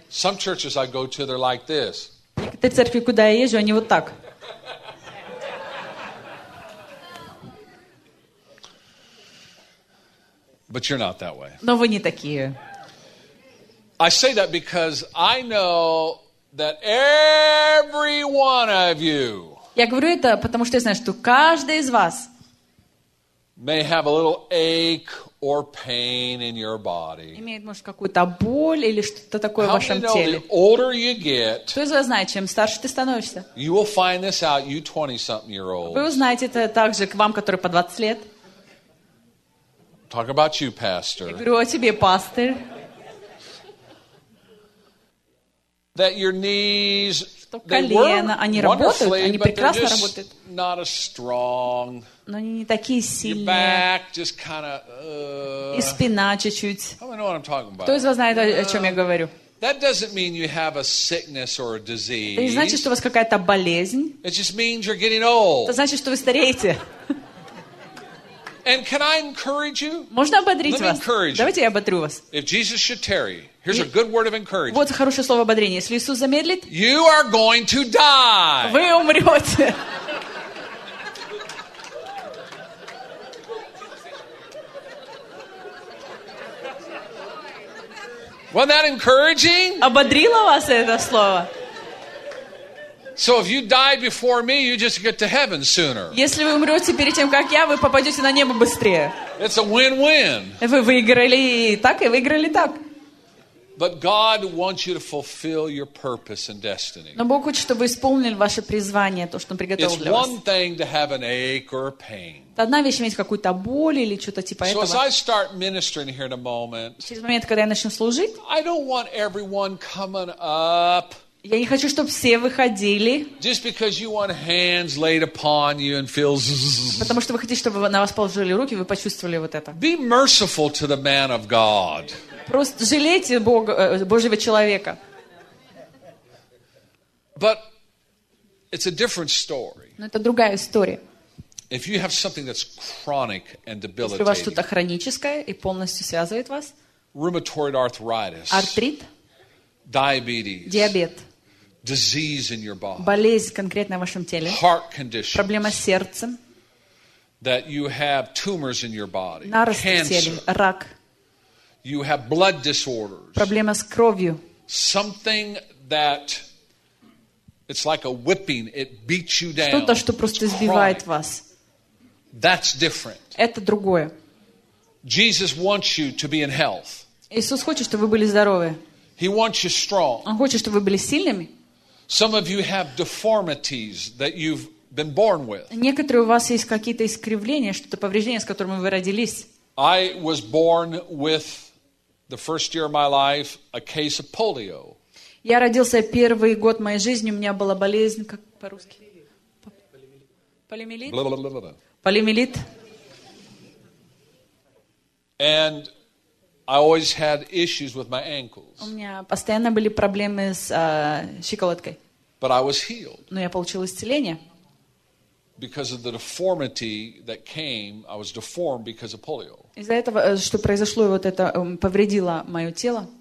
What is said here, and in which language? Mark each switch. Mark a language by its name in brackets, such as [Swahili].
[English] Some churches I go to, they're like this. [Russian] Некоторые церкви, куда я езжу, они вот так. [English] But you're not that way. [Russian] Но вы не такие. [English] I say that because I know that every one of you. [Russian] Я говорю это потому что я знаю, что каждый из вас [English] may have a little ache or pain in your body. [Russian] Имеет, может, какую-то боль или что-то такое в вашем теле. [English] The older you get, [Russian] кто из вас знает, чем старше ты становишься? [English] You will find this out, you 20-something year old. [Russian] Вы узнаете это также к вам, который по 20 лет. [English] Talk about you, pastor. [Russian] Я говорю о тебе, пастор. [English] That your knees, [Russian] что колено, они работают, они прекрасно работают. [English] Not as strong. [Russian] Но они не такие сильные. [English] Your back just kinda, [Russian] и спина чуть-чуть. [English] I don't know what I'm talking about. [Russian] Кто из вас знает, о чем я говорю? [English] That doesn't mean you have a sickness or a disease. [Russian] Это не значит, что у вас какая-то болезнь. [English] It just means you're getting old. [Russian] Это значит, что вы стареете. [English] And can I encourage you? [Russian] Можно ободрить вас? Давайте я ободрю вас. [English] If Jesus should tarry, here's a good word of encouragement. [Russian] Вот хорошее слово ободрения. Если Иисус замедлит, [English] you are going to die. [Russian] Вы умрете. [English] Wasn't that encouraging? [Russian] Ободрило вас это слово? [English] So if you die before me, you just get to heaven sooner. [Russian] Если вы умрете перед тем, как я, вы попадете на небо быстрее. [English] It's a win-win. [Russian] Вы выиграли так и выиграли так. [English] But God wants you to fulfill your purpose and destiny. [Russian] Но Бог хочет, чтобы вы исполнили ваше призвание, то, что Он приготовил [English] It's [Russian] для вас. [English] It's one thing to have an ache or a pain. [Russian] Это одна вещь иметь какую-то боль или что-то типа [English] so [Russian] этого. [English] So as I start ministering here in a moment, [Russian] через момент, когда я начну служить, [English] I don't want everyone coming up. [Russian] Я не хочу, чтобы все выходили. [English] Just because you want hands laid upon you and feel. [Russian] Потому что вы хотите, чтобы на вас положили руки, вы почувствовали вот это. [English] Be merciful to the man of God. [Russian] Просто жалейте Бога, Божьего человека. [English] But it's a different story. [Russian] Но это другая история. [English] If you have something that's chronic and debilitating. [Russian] Если у вас что-то хроническое и полностью связывает вас. [English] Rheumatoid arthritis. [Russian] Артрит. [English] Diabetes. [Russian] Диабет. [English] Disease in your body. [Russian] Болезнь конкретно в вашем теле. [English] Heart condition. [Russian] Проблема с сердцем. [English] That you have tumors in your body. [Russian] Нарост в теле. Рак. [English] You have blood disorders. [Russian] Проблема с кровью. [English] Something that it's like a whipping, it beats you down. [Russian] Что-то, что просто избивает вас. [English] That's different. [Russian] Это другое. [English] Jesus wants you to be in health. [Russian] Иисус хочет, чтобы вы были здоровы. [English] He wants you strong. [Russian] Он хочет, чтобы вы были сильными. [English] Some of you have deformities that you've been born with. [Russian] Некоторые у вас есть какие-то искривления, что-то повреждения, с которыми вы родились. [English] I was born with the first year of my life a case of polio. [Russian] Я родился первый год моей жизни, у меня была болезнь, как по-русски? Полимелит. Полимелит. [English] And I always had issues with my ankles. [Russian] У меня постоянно были проблемы с щиколоткой. [English] But I was healed. [Russian] Но я получил исцеление. [English] Because of the deformity that came, I was deformed because of polio. [Russian] Из-за этого, что произошло, вот это повредило мое тело.